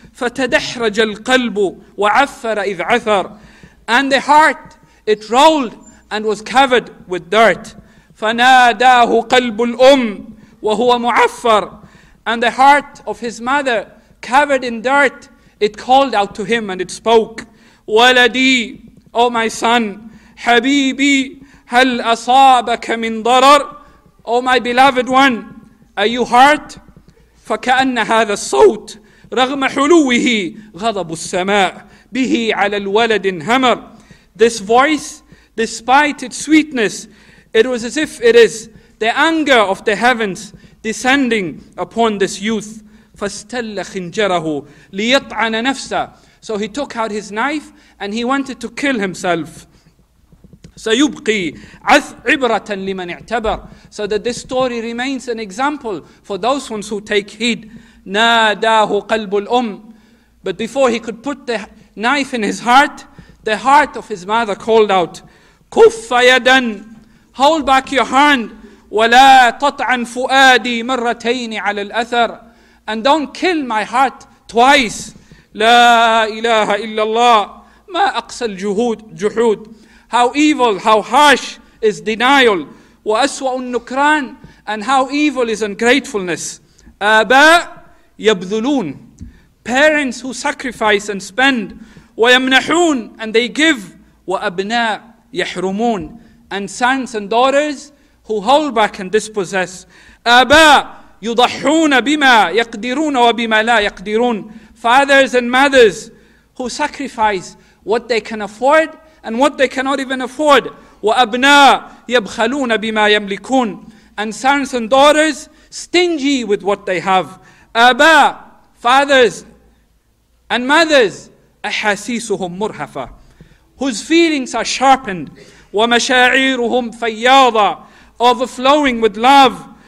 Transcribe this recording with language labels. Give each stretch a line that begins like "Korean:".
Arabic: فَتَدَحْرَجَ الْقَلْبُ وَعَفَّرَ إِذْ عَثَرَ.
English: And the heart, it rolled and was covered with dirt.
Arabic: فَنَادَاهُ قَلْبُ الْأُمِّ وَهُوَ مُعَفَّرَ.
English: And the heart of his mother, covered in dirt, it called out to him and it spoke.
Arabic: وَلَدِي,
English: O my son,
Arabic: حَبِيبِي, هَلْ أَصَابَكَ مِنْ ضَرَرَ.
English: O my beloved one, are you hurt?
Arabic: فَكَأَنَّ هَذَا الصَّوْتِ رغم حلوه غضب السماء به على الولد انهمر.
English: This voice, despite its sweetness, it was as if it is the anger of the heavens descending upon this youth.
Arabic: فاستل خنجره ليطعن نفسه.
English: So he took out his knife and he wanted to kill himself.
Arabic: سيبقي عبرة لمن اعتبر.
English: So that this story remains an example for those ones who take heed.
Arabic: ناداه قلب الأم.
English: But before he could put the knife in his heart, the heart of his mother called out,
Arabic: كف يدا,
English: hold back your hand.
Arabic: ولا تطعن فؤادي مرتين على الأثر.
English: And don't kill my heart twice.
Arabic: لا إله إلا الله ما أقسى الجهود جحود.
English: How evil, how harsh is denial.
Arabic: وأسوأ النكران.
English: And how evil is ungratefulness.
Arabic: آباء يبذلون.
English: Parents who sacrifice and spend.
Arabic: ويمنحون.
English: And they give.
Arabic: وأبناء يحرمون.
English: And sons and daughters who hold back and dispossess.
Arabic: آباء يضحون بما يقدرون وبما لا يقدرون.
English: Fathers and mothers who sacrifice what they can afford and what they cannot even afford.
Arabic: وأبناء يبخلون بما يملكون.
English: And sons and daughters stingy with what they have.
Arabic: آباء,
English: fathers and mothers,
Arabic: أحاسيسهم مرهفة,
English: whose feelings are sharpened.
Arabic: ومشاعرهم فياضة,
English: overflowing with love.